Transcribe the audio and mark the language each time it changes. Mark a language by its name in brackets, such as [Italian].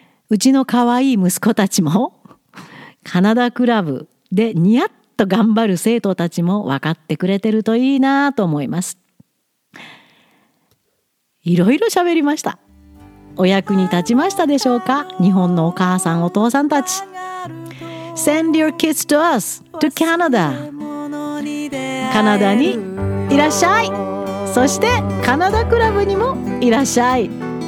[Japanese] うちの可愛い息子たちも、カナダクラブでニヤッと頑張る生徒たちも分かってくれてるといいなと思います。いろいろ喋りました。お役に立ちましたでしょうか？日本のお母さんお父さんたち。 [English] Send your kids to us, to Canada. [Japanese] カナダにいらっしゃい。そしてカナダクラブにもいらっしゃい。